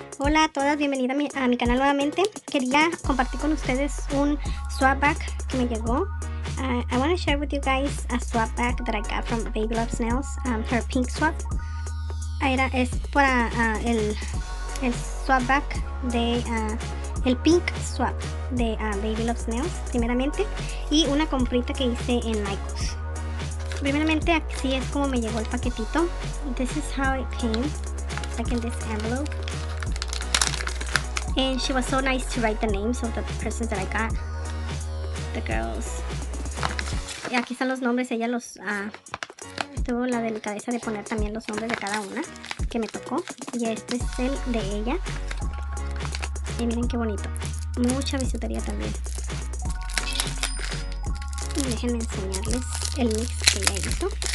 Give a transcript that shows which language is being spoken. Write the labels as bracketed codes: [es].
[es] Hola a todas, bienvenida a mi canal nuevamente. Quería compartir con ustedes un swap bag que me llegó. [en] I want to share with you guys a swap bag that I got from Babyloves Nails for a pink swap. [es] Era el pink swap de Babyloves Nails, primeramente, y una comprita que hice en Michael's. Primeramente, así es como me llegó el paquetito. [en] This is how it came. Like in this envelope, and she was so nice to write the names of the persons that I got, the girls. [es] Y aquí están los nombres. Ella los tuvo la delicadeza de poner también los nombres de cada una que me tocó. Y este es el de ella. Y miren qué bonito. Mucha bisutería también. Y déjenme enseñarles el mix que ella hizo.